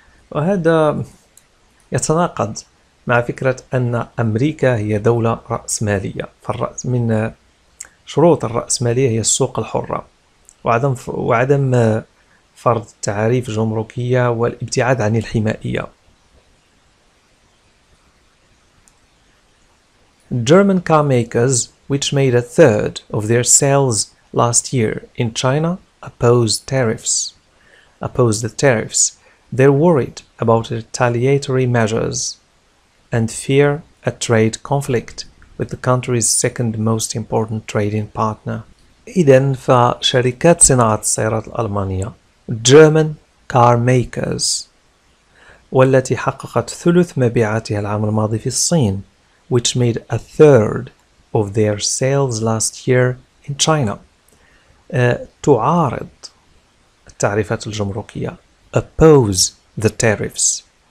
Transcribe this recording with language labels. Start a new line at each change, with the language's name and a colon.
Arabic: وهذا يتناقض مع فكرة أن أمريكا هي دولة رأسمالية، فالرأس من شروط الرأسمالية هي السوق الحرة وعدم فرض تعريف جمركية والابتعاد عن الحمائية.
English: German car makers, which made a third of their sales last year in China, opposed the tariffs. They're worried about retaliatory measures and fear a trade conflict with the country's second most important trading partner.
Arabic: إذن فشركات صناعة السيارات الألمانية
English: German car makers،
Arabic: والتي حققت ثلث مبيعاتها العام الماضي في الصين،
English: which made a third of their sales last year in China،
Arabic: تعارض التعريفات الجمركية،
English: oppose the tariffs.